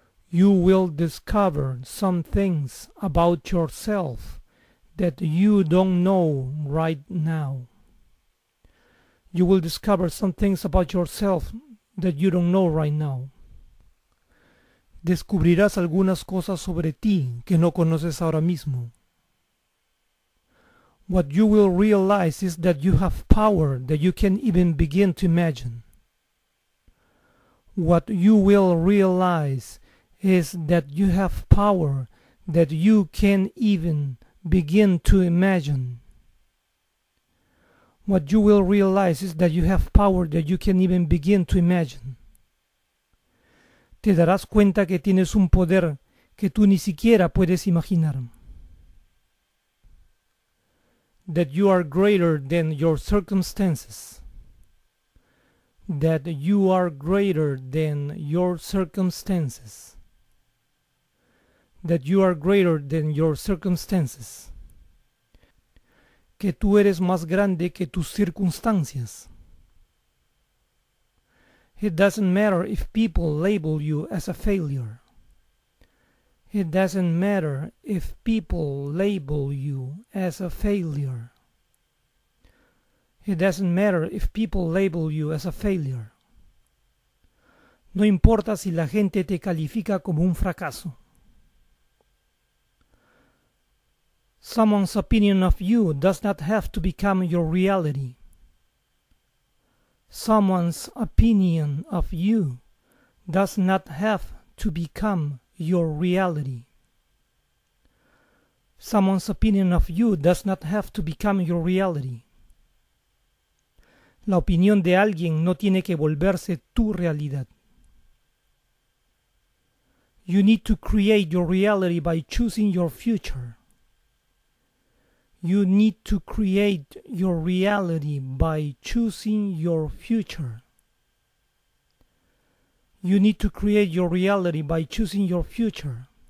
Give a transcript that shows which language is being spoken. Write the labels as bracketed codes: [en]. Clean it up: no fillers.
[en] You will discover some things about yourself that you don't know right now. You will discover some things about yourself that you don't know right now. [es] Descubrirás algunas cosas sobre ti que no conoces ahora mismo. [en] What you will realize is that you have power that you can't even begin to imagine. What you will realize is that you have power that you can't even begin to imagine. What you will realize is that you have power that you can't even begin to imagine. [es] Te darás cuenta que tienes un poder que tú ni siquiera puedes imaginar. [en] That you are greater than your circumstances. That you are greater than your circumstances. That you are greater than your circumstances. [es] Que tú eres más grande que tus circunstancias. [en] It doesn't matter if people label you as a failure. It doesn't matter if people label you as a failure. It doesn't matter if people label you as a failure. [es] No importa si la gente te califica como un fracaso. [en] Someone's opinion of you does not have to become your reality. Someone's opinion of you does not have to become your reality. Someone's opinion of you does not have to become your reality. [es] La opinión de alguien no tiene que volverse tu realidad. [en] You need to create your reality by choosing your future. You need to create your reality by choosing your future. You need to create your reality by choosing your future.